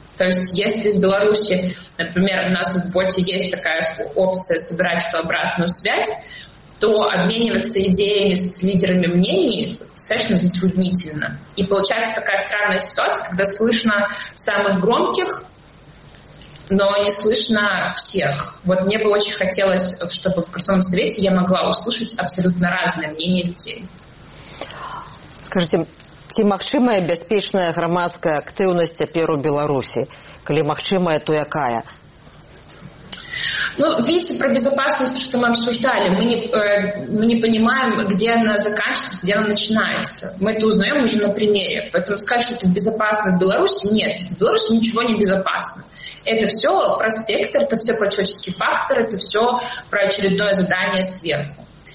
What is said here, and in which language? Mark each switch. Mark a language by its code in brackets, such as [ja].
[ru] То есть если из Беларуси, например, у нас в боте есть такая опция собирать эту обратную связь, то обмениваться идеями с лидерами мнений достаточно затруднительно. И получается такая странная ситуация, когда слышно самых громких, но не слышно всех. Вот мне бы очень хотелось, чтобы в Краснодарском совете я могла услышать абсолютно разные мнения людей. [be] Скажите, ці магчымая бяспечная грамадская актыўнасць цяпер у Беларусі? Калі магчымая, то якая? [ru] Ну, видите, про безопасность, что мы обсуждали, мы не понимаем, где она заканчивается, где она начинается. Мы это узнаем уже на примере. Поэтому сказать, что это безопасно в Беларуси, нет. В Беларуси ничего не безопасно. Это все про спектр, это все про человеческий фактор, это все про очередное задание сверху.